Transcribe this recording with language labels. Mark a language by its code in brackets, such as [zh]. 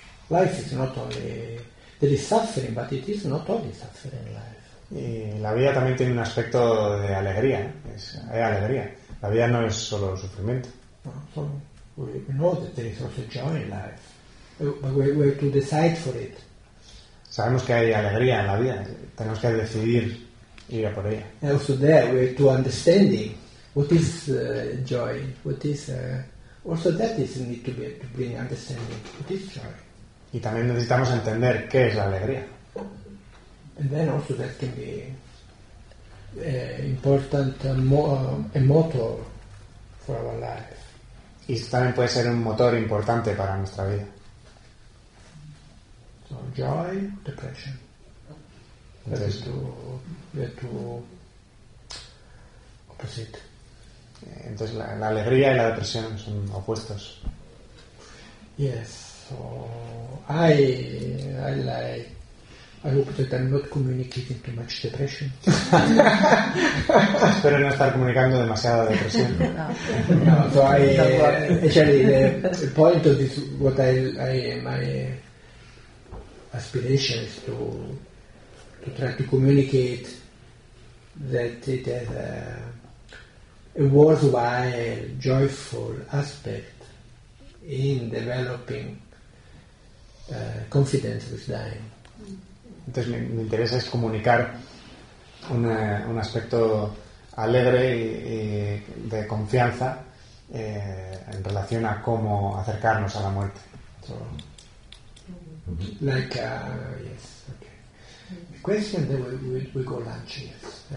[en] Life is not only there is suffering, but it is not only suffering in life. [es] Y la vida también tiene un aspecto de alegría, es alegría. La vida no es solo sufrimiento. [en] So we know that there is also joy in life, but we have to decide for it. [es] Sabemos que hay alegría en la vida, tenemos que decidir ir a por ella. [en] And also there we have to understanding what is joy, what is also that is need to be to bring understanding what is joy. [es] Y también necesitamos entender qué es la alegría. [en] And then also that can be important a motor for our life. [es] Y también puede ser un motor importante para nuestra vida. [en] So joy, depression. [es] Entonces, [en] to opposite. [es] Entonces la alegría y la depresión son opuestos. [en] Yes. So I hope that I'm not communicating too much depression. [es] Espero no estar comunicando demasiada depresión. [en] No, so I actually the point of this what I my aspirations to try to communicate that it has a worthwhile, joyful aspect in developing confidence with dying. [es] Entonces mi interés es comunicar un aspecto alegre y de confianza en relación a cómo acercarnos a la muerte. [en] So, like yes, okay. Question, then we go lunch. Yes.